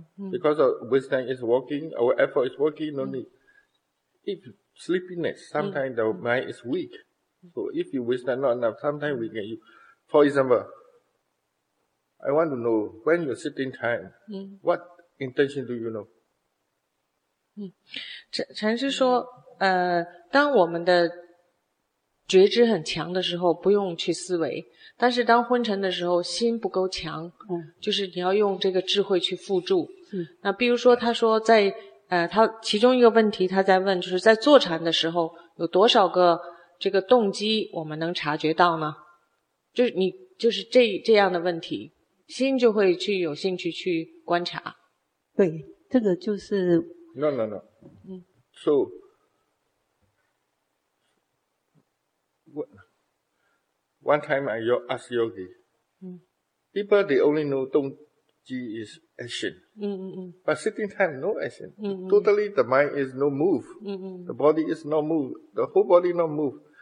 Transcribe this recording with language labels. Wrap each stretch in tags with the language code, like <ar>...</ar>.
<en>Because wisdom is working, our effort is working, no need. If sleepiness, sometimes the mind is weak. So if you wish that not enough, sometimes we can use. For example, I want to know when you're sitting time, what intention do you know?</en> <zh>禅师说，当我们的觉知很强的时候，不用去思维。但是当昏沉的时候，心不够强，就是你要用这个智慧去辅助。那比如说，他说在他其中一个问题他在问，就是在坐禅的时候有多少个这个动机我们能察觉到呢，就是你就是这样的问题，心就会去有兴趣去观察。对，这个就是</zh> <en>No. So one time I ask yogi, people they only know</en> <zh>动机</zh> <en>is action. But sitting time, no action. Totally, the mind is no move. The body is not move. The whole body not move.</en>